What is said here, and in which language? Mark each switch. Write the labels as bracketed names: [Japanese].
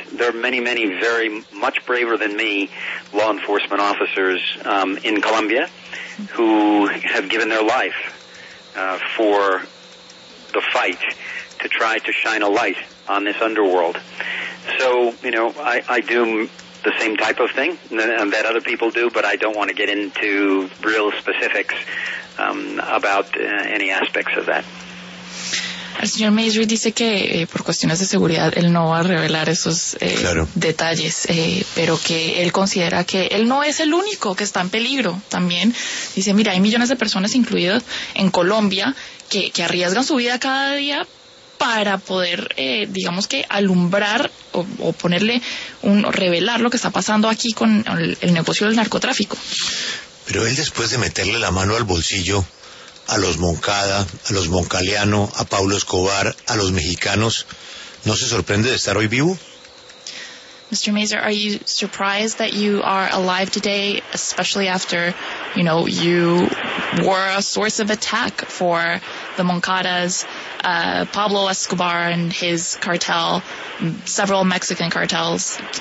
[English] There are many, many very much braver than me law enforcement officers in Colombia who have given their life for the fight to try to shine a light on this underworld. So, you know, I do the same type of thing that other people do, but I don't want to get into real specifics about any aspects of that. [Spanish] El señor Mazur dice que por cuestiones de seguridad él no va a revelar esos detalles, pero que él considera que él no es el único que está en peligro también. Dice, mira, hay millones de personas, incluidas en Colombia, que arriesgan su vida cada día para poder, digamos que, alumbrar o ponerle un o revelar lo que está pasando aquí con el negocio del narcotráfico. Pero él, después de meterle la mano al bolsillo a los Moncada, a los Moncaleano, a Pablo Escobar, a los mexicanos, ¿no se sorprende de estar hoy vivo? [English] Mr. Mazur, are you surprised that you are alive today, especially after, you know, you were a source of attack for the Moncadas, Pablo Escobar and his cartel, several Mexican cartels?